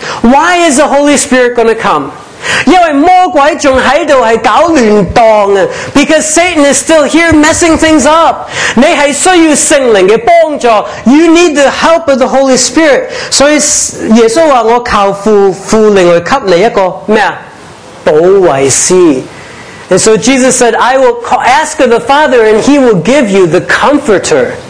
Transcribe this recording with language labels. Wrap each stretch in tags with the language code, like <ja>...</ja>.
<en>Why is the Holy Spirit going to come?</en> <zh>因为魔鬼还在搞乱荡。</zh> <en>Because Satan is still here messing things up.</en> <zh>你是需要圣灵的帮助。</zh> <en>You need the help of the Holy Spirit.</en> <zh>所以耶稣说我靠父，父另外给你一个保惠师。</zh> <en>And so Jesus said, I will ask of the Father and he will give you the Comforter.</en>